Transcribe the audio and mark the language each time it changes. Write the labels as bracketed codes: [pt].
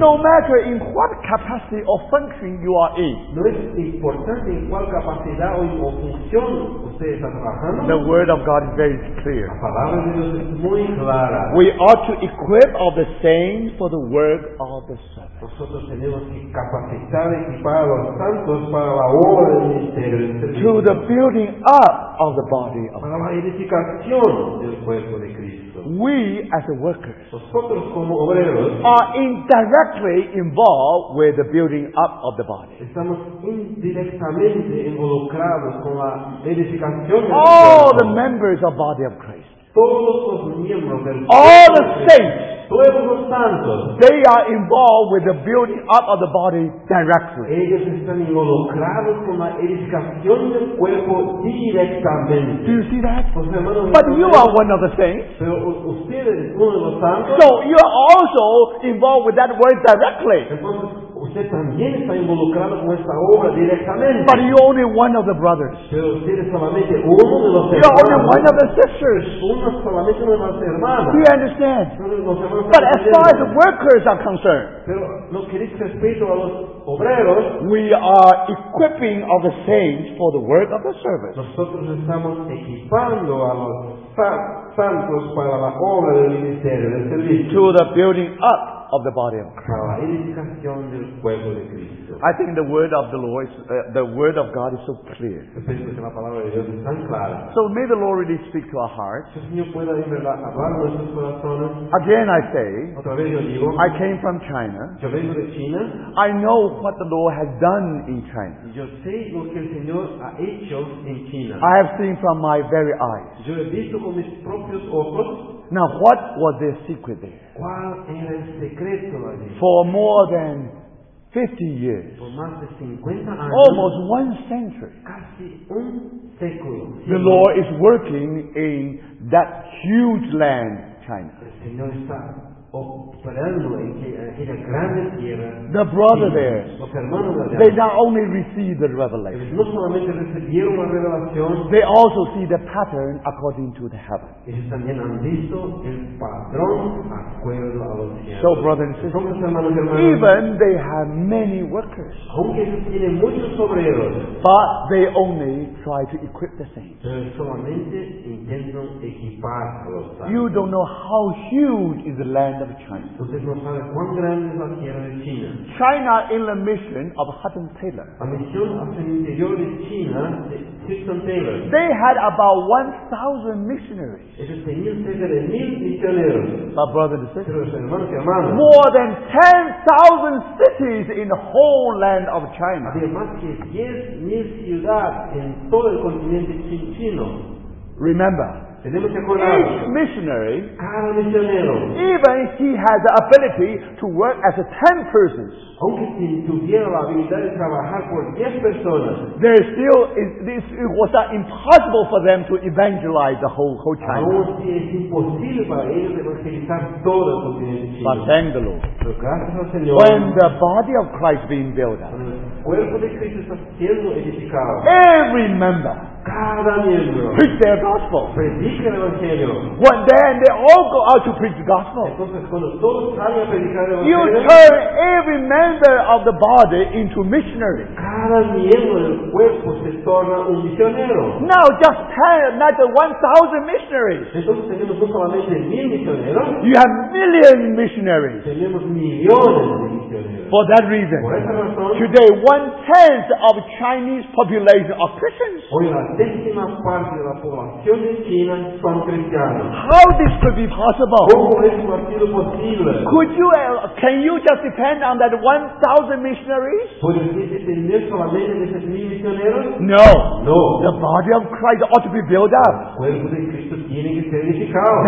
[en] No matter in what capacity or function you are in, [es] no es importante en cuál capacidad o función usted está trabajando. [en] The word of God is very clear. [es] La palabra de Dios es muy clara. [en] We ought to equip all the saints for the work of the service. [es] Nosotros tenemos que capacitar y equipar a los santos para la obra del ministerio. [en] To the building up of the body of [es] Christ. Para la edificación del cuerpo de Cristo. [en] We as the workers, [es] nosotros como obreros, [en] are indirectly involved with the building up of the body. [es] Estamos indirectamente involucrados con la edificación del cuerpo. [en] All the members of the body of Christ. [es] Todos los miembros del cuerpo. [en] All the saints. [es] Todos los santos, [en] they are involved with the building up of the body directly. [es] Ellos están involucrados con la edificación del cuerpo directamente. [en] Do you see that? [es] Pues, hermano, [en] but you are one of the saints. [es] Pero usted es uno de los santos. [en] So you are also involved with that word directly. [es] Entonces, usted también está involucrado con esta obra directamente. [en] But you are only one of the brothers. [es] Pero usted es solamente uno de los hermanos. [en] You are only one of the sisters. [es] Uno solamente de las hermanas. [en] Do you understand? But as far as the workers are concerned, we are equipping all the saints for the work of the service. [es] Nosotros estamos equipando a los santos para la obra del ministerio, del servicio. [en] To the building up of the body of Christ. [es] Para la edificación del cuerpo de Cristo. [en] I think the word of the Lord, the word of God is so clear. So may the Lord really speak to our hearts. Again I say, I came from China. [es] Yo vengo de China. [en] I know what the Lord has done in China. [es] Yo sé lo que el Señor ha hecho en China. [en] I have seen from my very eyes. [es] Yo he visto con mis propios ojos. [en] Now, what was their secret there? [es] ¿Cuál era el secreto allí? [en] For more than 50 years, [es] por más de 50 años, [en] almost one century, [es] casi un século, [en] the Lord is working in that huge land, China. [es] El Señor está operando en aquella grande tierra. [en] The brother there, [es] los hermanos allá, [en] they not only receive the revelation, [es] no solamente recibieron la revelación, [en] they also see the pattern according to the heaven. [es] Ellos también han visto el patrón acuerdo a los cielos. [en] So, brothers and sisters, [es] entonces, hermanos, hermanos, [en] even they have many workers, [es] aunque tienen muchos obreros, [en] but they only try to equip the saints. [es] Solamente intentan equipar a los santos. [en] You don't know how huge is the land of China. [es] Ustedes no saben cuán grande es la tierra de China. [en] China in the mission of Hudson Taylor. [es] La misión hacia el interior de China, de Hudson Taylor. [en] They had about 1,000 missionaries. [es] Ellos tenían cerca de 1,000 misioneros. [en] My brother and sister. [es] Pero hermanos y hermanas. [en] More than 10,000 cities in the whole land of China. [es] Había más que 10,000 ciudades en todo el continente chino. [en] Remember. Each missionary, [es] cada misionero, [en] even if he has the ability to work as a 10 persons, [es] aunque si tuviera la habilidad de trabajar por 10 personas, [en] there still is this, it was not impossible for them to evangelize the whole China. [es] Aún si es imposible para ellos evangelizar todo el continente. [en] But thank the Lord. [es] Pero gracias al Señor. [en] When the body of Christ being built up, [es] el cuerpo de Cristo está siendo edificado, [en] every member, [es] cada miembro [en] preach their gospel. [es] Predique el evangelio. [en] When then they all go out to preach the gospel. [es] Entonces, cuando todos salen a predicar el evangelio, [en] you turn every member of the body into missionary. [es] Cada miembro del cuerpo se torna un misionero. [en] Now just 1,000 missionaries. [es] Entonces, tenemos solamente 1,000 misioneros. [en] You have million missionaries. [es] Tenemos millones de misioneros. [en] For that reason, [es] por esa razón, [en] today 1/10 of Chinese population are Christians. [es] Hoy la décima parte de la población de China son cristianos. [en] How this could be possible? [es] ¿Cómo esto ha sido posible? [en] Could you, can you just depend on that 1,000 missionaries? [es] ¿Puedes depender solamente de esos mil misioneros? [en] No. [es] No. [en] The body of Christ ought to be built up. [es] El cuerpo de Cristo tiene que ser edificado.